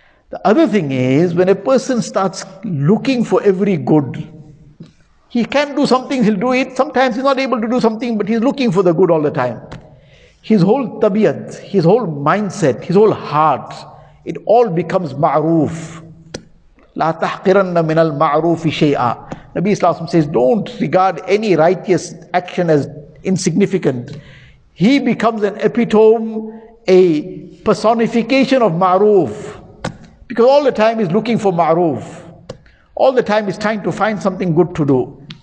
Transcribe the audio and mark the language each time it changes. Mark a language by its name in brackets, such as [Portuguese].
[English] The other thing is, when a person starts looking for every good, he can do something, he'll do it. Sometimes he's not able to do something, but he's looking for the good all the time. His whole tabiat, his whole mindset, his whole heart, it all becomes ma'roof. [Arabic] لا تحقرن من المعروف شيئا. [English] Nabi Islam says, don't regard any righteous action as insignificant. He becomes an epitome, a personification of ma'roof. Because all the time he's looking for ma'roof. All the time he's trying to find something good to do.